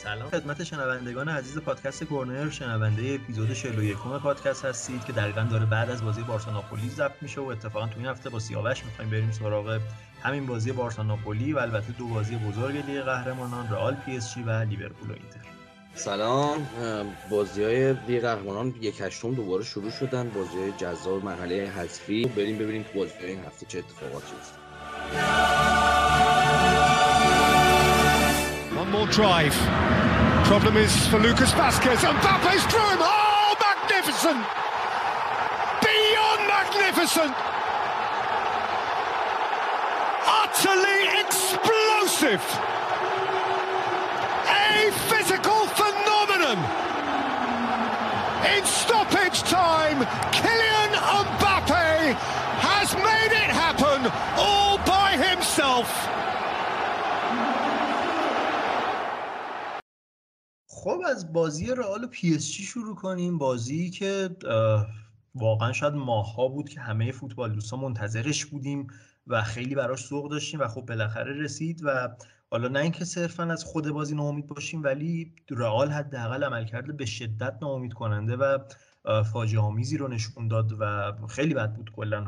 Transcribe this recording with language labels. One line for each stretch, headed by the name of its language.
Persian: خدمت شنوندگان عزیز پادکست کورنر، شنونده اپیزود 41 پادکست هستید که دقیقاً داره بعد از بازی بارسا ناپولی ضبط میشه و اتفاقاً تو این هفته با سیاوش می‌خوایم بریم سراغ همین بازی بارسا ناپولی و البته دو بازی بزرگ لیگ قهرمانان، رئال پی اس جی و لیورپول و اینتر. سلام، بازی‌های لیگ قهرمانان 1/8 دوباره شروع شدن، بازی‌های جذاب مرحله حذفی. بریم ببینیم تو بازی‌های این هفته چه اتفاقاتی افتاد.
English: One more drive. Problem is for Lucas Vasquez. Mbappe's through him. Oh, magnificent! Beyond magnificent! Utterly explosive! A physical phenomenon! In stoppage time, Kylian Mbappe has made it happen all by himself.
Persian: خب از بازی رئال و پی اس جی شروع کنیم، بازی که واقعا شاید ماها بود که همه فوتبال دوستا منتظرش بودیم و خیلی براش ذوق داشتیم و خب بالاخره رسید و حالا نه اینکه صرفا از خود بازی ناامید باشیم، ولی رئال حداقل عملکرد به شدت ناامید کننده و فاجعه آمیزی رو نشون داد و خیلی بد بود کلا.